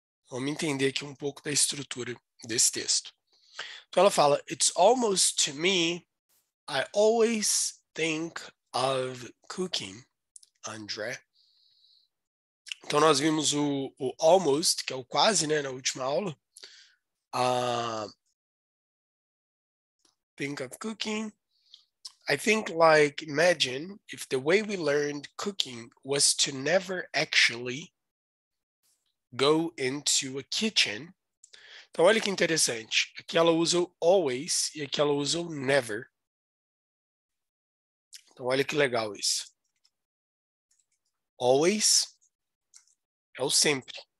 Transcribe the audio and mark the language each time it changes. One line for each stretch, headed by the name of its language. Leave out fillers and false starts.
Portuguese: Vamos entender aqui um pouco da estrutura desse texto. Então, ela fala,
English: it's almost to me, I always think of cooking, André.
Portuguese: Então, nós vimos o almost, que é o quase, né, na última aula.
English: Think of cooking. I think, like, imagine if the way we learned cooking was to never actually go into a kitchen.
Portuguese: Então, olha que interessante. Aqui ela usa o always e aqui ela usa o never. Então, olha que legal isso. Always é o sempre.